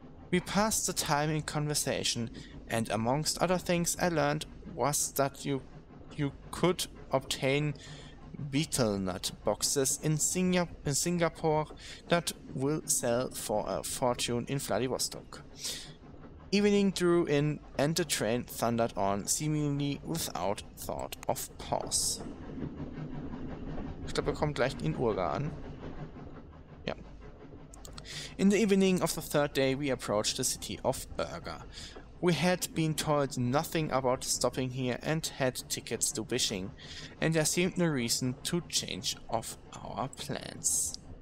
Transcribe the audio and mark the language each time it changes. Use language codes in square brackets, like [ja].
[en] We passed the time in conversation, and amongst other things I learned was that you could obtain betel nut boxes in Singapore that will sell for a fortune in Vladivostok. Evening drew in and the train thundered on, seemingly without thought of pause. [de] Ich glaube, er kommt gleich in Urga an. Ja. [en] In the evening of the third day we approached the city of Urga. We had been told nothing about stopping here and had tickets to Beijing, and there seemed no reason to change of our plans.